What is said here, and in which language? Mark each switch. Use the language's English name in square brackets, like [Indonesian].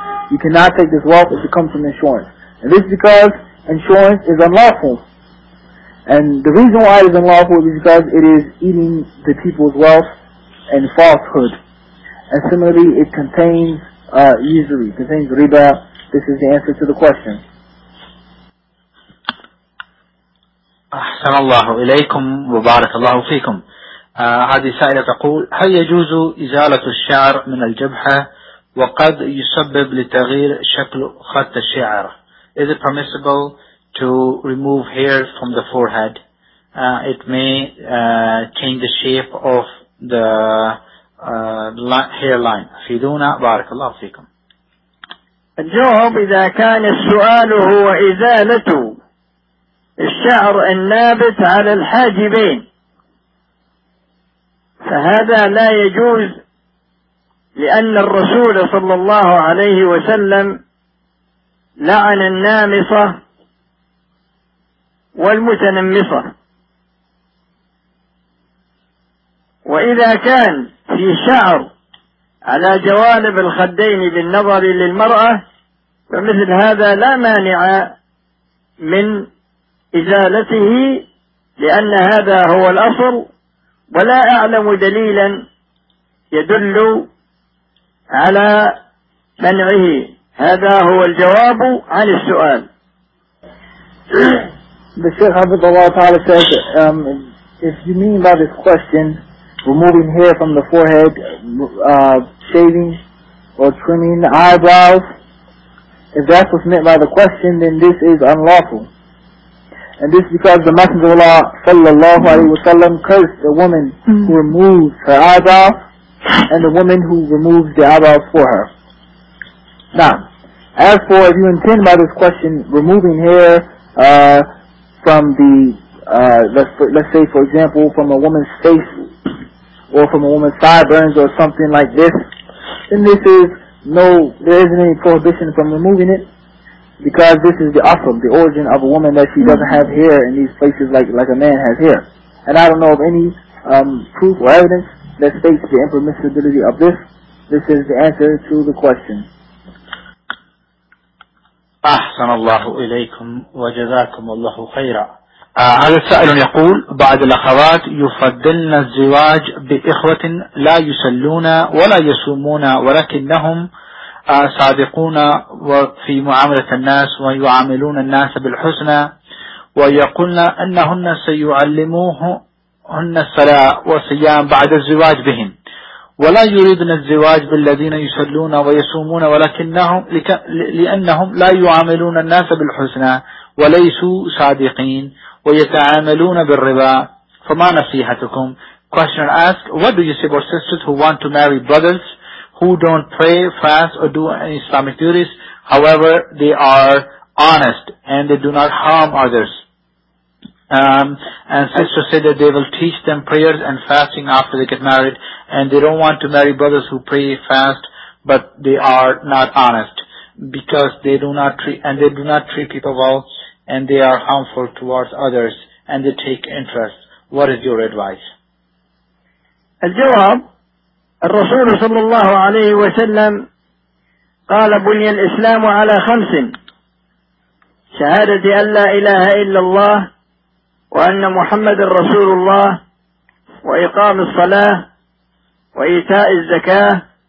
[English] You cannot take this wealth if it comes from insurance. And this is because insurance is unlawful. And the reason why it is unlawful is because it is eating the people's wealth and falsehood. And similarly, it contains usury, contains riba. This is the answer to the question. [Arabic] أحسن الله إليكم وبارك الله فيكم. هذه السائلة تقول هل يجوز إزالة الشعر من الجبهة وقد يسبب لتغيير شكل خط الشعر؟ [English] Is it permissible to remove hair from the forehead? It may change the shape of the hairline. [Arabic] أفيدونا بارك الله فيكم. الجواب إذا كان السؤال هو إزالة الشعر النابت على الحاجبين فهذا لا يجوز، لأن الرسول صلى الله عليه وسلم لعن النامصة والمتنمصة. وإذا كان في شعر على جوانب الخدين بالنظر للمرأة فمثل هذا لا مانع من إزالته، لأن هذا هو الأصل، ولا أعلم دليلا يدل على منعه. هذا هو الجواب عن السؤال. [English] The Shaykh Hafizahullah Ta'ala says, if you mean by this question removing hair from the forehead, shaving or trimming the eyebrows, if that's what's meant by the question, then this is unlawful. And this is because the Messenger of Allah sallallahu alayhi wa sallam cursed the woman who removes her eyebrows and the woman who removes the eyebrows for her. Now, as for if you intend by this question removing hair from the, let's say for example, from a woman's face or from a woman's sideburns or something like this, then this is no, there isn't any prohibition from removing it. Because this is the asl, the origin of a woman, that she doesn't have hair in these places like a man has hair. And I don't know of any proof or evidence that states the impermissibility of this. This is the answer to the question. [Arabic] أحسن الله إليكم وجزاكم الله خيرا. هذا السائل يقول بعض الأخوات يفضلن الزواج بإخوة لا يصلون ولا يصومون ولكنهم صادقون وفي معاملة الناس ويعاملون الناس بالحسنى ويقولن أنهن سيعلموهن الصلاة والصيام بعد الزواج بهم، ولا يريدن الزواج بالذين يصلون ويصومون ولكنهم لأنهم لا يعاملون الناس بالحسنى وليسوا صادقين ويتعاملون بالربا، فما نصيحتكم؟ [English] Question asked, what do you say for sisters who want to marry brothers who don't pray, fast, or do any Islamic duties, however they are honest and they do not harm others? And sisters say that they will teach them prayers and fasting after they get married, and they don't want to marry brothers who pray, fast, but they are not honest because they do not treat, and they do not treat people well, and they are harmful towards others and they take interest. What is your advice? [Arabic] الجواب الرسول صلى الله عليه وسلم قال بني الإسلام على خمس: شهادة أن لا إله إلا الله وأن محمد رسول الله وإقام الصلاة وإيتاء الزكاة